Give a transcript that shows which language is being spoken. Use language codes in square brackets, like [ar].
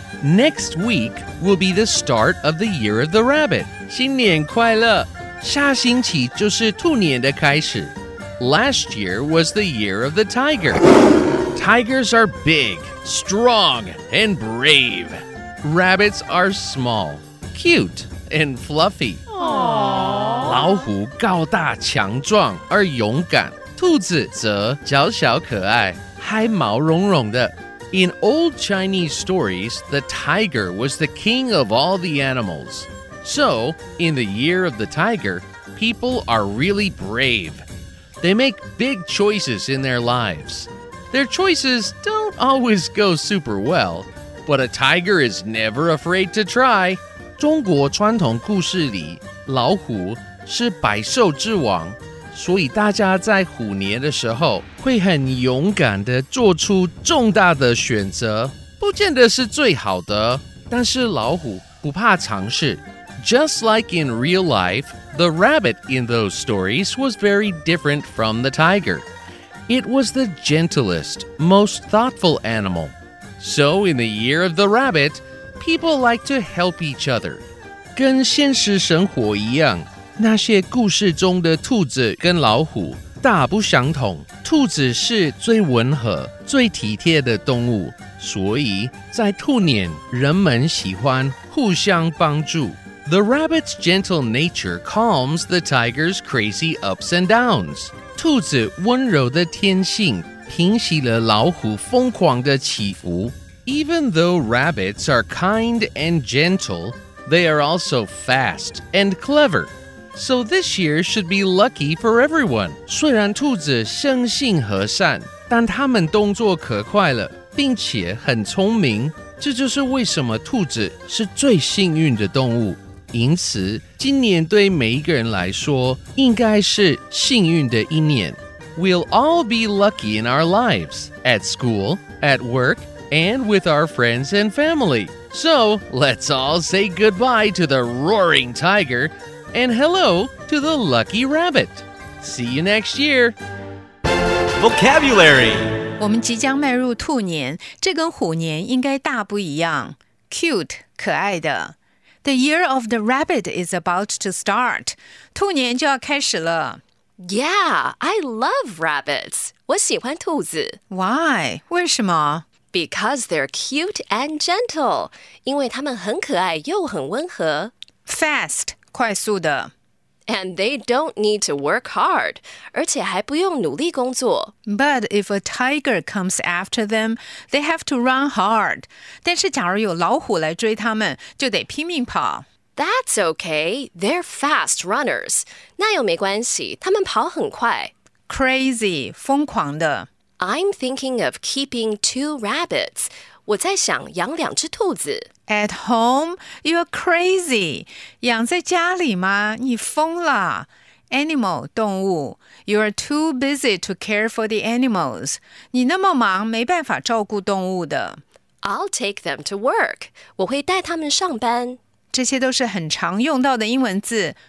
[en] Next week will be the start of the Year of the Rabbit. [zh] 新年快乐！下星期就是兔年的开始。 [en] Last year was the year of the tiger. Tigers are big, strong, and brave. Rabbits are small, cute, and fluffy. Aww. [zh] 老虎高大强壮而勇敢，兔子则娇小可爱，还毛茸茸的。 [en] In old Chinese stories, the tiger was the king of all the animals. So, in the year of the tiger, people are really brave. They make big choices in their lives. Their choices don't always go super well, but a tiger is never afraid to try. [zh] 中国传统故事里，老虎是百兽之王，所以大家在虎年的时候会很勇敢地做出重大的选择，不见得是最好的，但是老虎不怕尝试。 [en] Just like in real life,The rabbit in those stories was very different from the tiger. It was the gentlest, most thoughtful animal. So in the year of the rabbit, people like to help each other. [zh] 跟现实生活一样，那些故事中的兔子跟老虎大不相同。兔子是最温和、最体贴的动物，所以在兔年，人们喜欢互相帮助。 [en] The rabbit's gentle nature calms the tiger's crazy ups and downs. [zh] 兔子温柔的天性平息了老虎疯狂的起伏。 [en] Even though rabbits are kind and gentle, they are also fast and clever. So this year should be lucky for everyone. [zh] 虽然兔子生性和善，但他们动作可快了，并且很聪明。这就是为什么兔子是最幸运的动物。因此，今年对每一个人来说应该是幸运的一年。 [en] We'll all be lucky in our lives, at school, at work, and with our friends and family. So, let's all say goodbye to the roaring tiger, and hello to the lucky rabbit. See you next year. Vocabulary. [zh] 我们即将迈入兔年，这跟虎年应该大不一样。 Cute, 可爱的。 [en] The year of the rabbit is about to start. [zh] 兔年就要开始了。 [en] Yeah, I love rabbits. [zh] 我喜欢兔子。 [en] Why? [zh] 为什么? [en] Because they're cute and gentle. [zh] 因为他们很可爱又很温和。 Fast, 快速的。 [en] And they don't need to work hard. [zh] 而且还不用努力工作。 [en] But if a tiger comes after them, they have to run hard. [zh] 但是假如有老虎来追他们，就得拼命跑。 [en] That's okay. They're fast runners. [zh] 那又没关系，他们跑很快。 Crazy, 疯狂的。 [en] I'm thinking of keeping two rabbits. [zh] 我在想养两只兔子。 [en] At home, you're crazy. [zh] 养在家里吗？你疯了。Animal, 动物。 [en] You're too busy to care for the animals. [zh] 你那么忙，没办法照顾动物的。 [en] I'll take them to work. [zh] 我会带他们上班。这些都是很常用到的英文字。